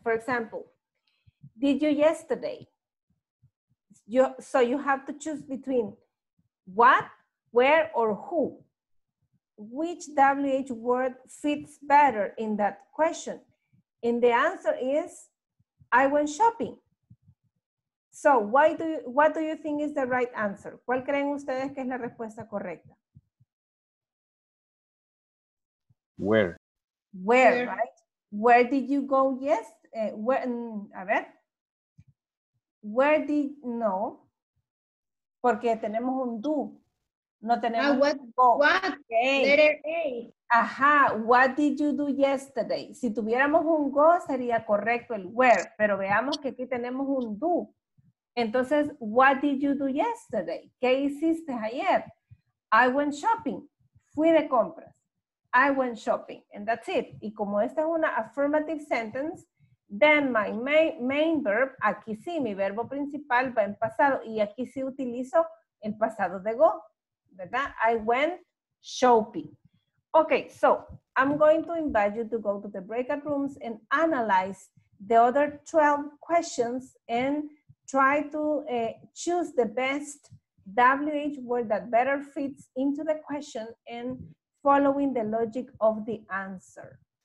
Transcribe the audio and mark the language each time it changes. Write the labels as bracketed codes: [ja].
[en] For example, did you yesterday? So you have to choose between what, where, or who. Which WH word fits better in that question? And the answer is, I went shopping. So, what do you think is the right answer? [es] ¿Cuál creen ustedes que es la respuesta correcta? [en] Where. Where, right? Where did you go yesterday? Where did, no. [es] Porque tenemos un do. No tenemos [en] What? Okay. Letter A. [es] Ajá, [en] what did you do yesterday? [es] Si tuviéramos un go, sería correcto el where. Pero veamos que aquí tenemos un do. Entonces, [en] what did you do yesterday? [es] ¿Qué hiciste ayer? [en] I went shopping. [es] Fui de compras. [en] I went shopping. And that's it. [es] Y como esta es una [en] affirmative sentence, then my main verb, [es] aquí sí, mi verbo principal va en pasado. Y aquí sí utilizo el pasado de go. ¿Verdad? [en] I went shopping. Okay, so I'm going to invite you to go to the breakout rooms and analyze the other 12 questions and try to choose the best WH word that better fits into the question and following the logic of the answer.